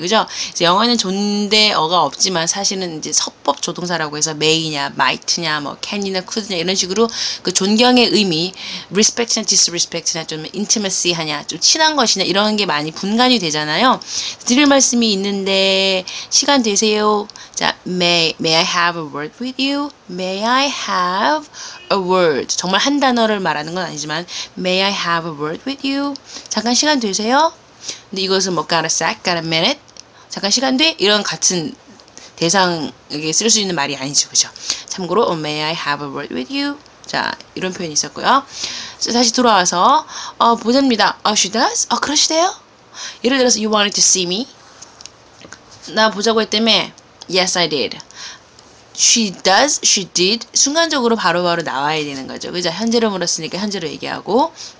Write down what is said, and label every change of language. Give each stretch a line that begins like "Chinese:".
Korean: 그죠? 영어에는 존대어가 없지만 사실은 이제 서법 조동사라고 해서 may냐, might냐, 뭐 can이나 could냐 이런 식으로 그 존경의 의미, respect냐, disrespect냐, 좀 intimacy하냐, 좀 친한 것이냐 이런 게 많이 분간이 되잖아요. 드릴 말씀이 있는데 시간 되세요.
English: 자, may I have a word with you? May I have a word?
Korean: 정말 한 단어를 말하는 건 아니지만
English: may I have a word with you?
Korean: 잠깐 시간 되세요? 근데 이것은 뭐,
English: got a sec, got a minute.
Korean: 잠깐 시간 돼? 이런 같은 대상에게 쓸수 있는 말이 아니죠. 그죠?
English: 참고로, oh, may I have a word with you?
Korean: 자, 이런 표현이 있었고요. 다시 돌아와서, 보자입니다.
English: Oh, she does?
Korean: 그러시대요?
English: 예를 들어서, you wanted to see me?
Korean: 나 보자고 했다며?
English: Yes, I did. She does, she did.
Korean: 순간적으로 바로바로 나와야 되는 거죠. 그죠? 현재로 물었으니까 현재로 얘기하고.